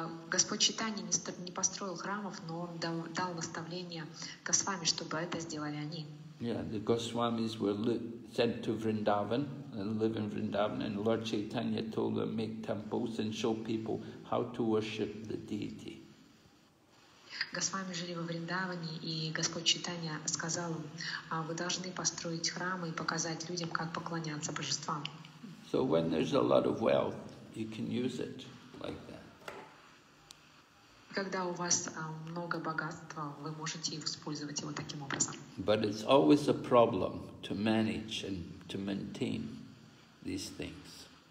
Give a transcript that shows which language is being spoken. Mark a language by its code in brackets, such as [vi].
[ru] Господь Чайтанья не построил храмов, но он дал наставление Госвами, чтобы это сделали они. [en] Yeah, the Goswamis were sent to Vrindavan and live in Vrindavan, and Lord Chaitanya told them make temples and show people how to worship the deity. [ru] Госвами жили во Вриндаване, и Господь Чайтанья сказал им, вы должны построить храмы и показать людям, как поклоняться божествам. [en] So when there's a lot of wealth, you can use it like that. [ru] Когда у вас много богатства, вы можете использовать его таким образом. [en] But it's always a problem to manage and to maintain these things.